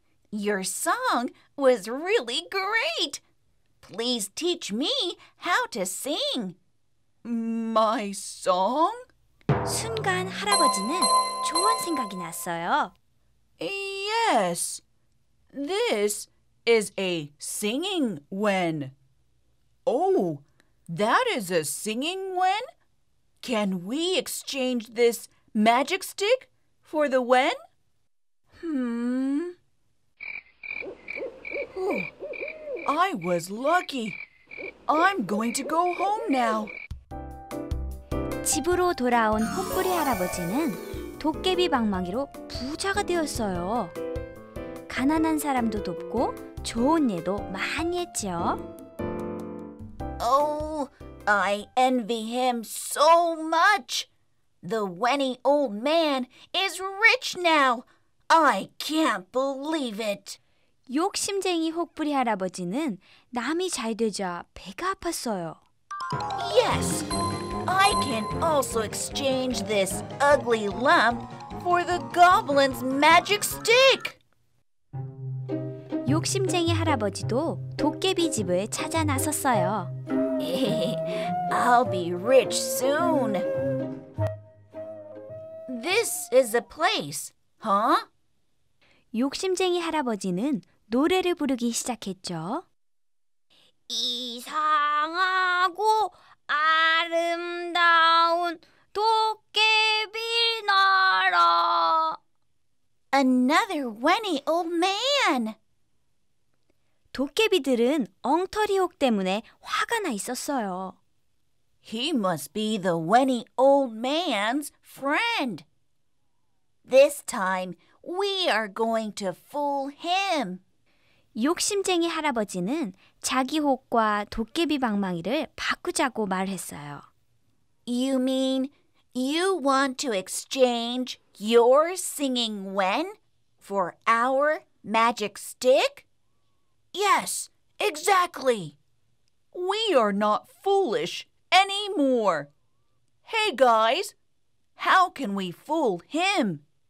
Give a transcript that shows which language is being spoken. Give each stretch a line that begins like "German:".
English: Your song was really great. Please teach me how to sing. My song?
Korean: 순간 할아버지는 좋은 생각이 났어요.
English: Yes. This is a singing wen. Oh, that is a singing wen? Can we exchange this magic stick for the wen? 오, I was lucky. I'm going to go home now.
Korean: 집으로 돌아온 혹부리 할아버지는 도깨비 방망이로 부자가 되었어요. 가난한 사람도 돕고 좋은 일도 많이 했죠.
English: Oh, I envy him so much. The wenny old man is rich now. I can't believe it.
Korean: 욕심쟁이 혹부리 할아버지는 남이 잘 되자 배가 아팠어요.
English: Yes, I can also exchange this ugly lump for the goblin's magic stick.
Korean: 욕심쟁이 할아버지도 도깨비 집을 찾아 나섰어요.
English: I'll be rich soon. This is a place, huh?
Korean: 욕심쟁이 할아버지는 노래를 부르기 시작했죠. 이상하고 아름다운 도깨비 나라.
English: Another wenny old man.
Korean: 도깨비들은 엉터리 혹 때문에 화가 나 있었어요.
English: He must be the wenny old man's friend. This time, we are going to fool him.
Korean: 욕심쟁이 할아버지는 자기 혹과 도깨비 방망이를 바꾸자고 말했어요.
English: You mean you want to exchange your singing wen for our magic stick? Yes, exactly. We are not foolish anymore. Hey guys, how can we fool him?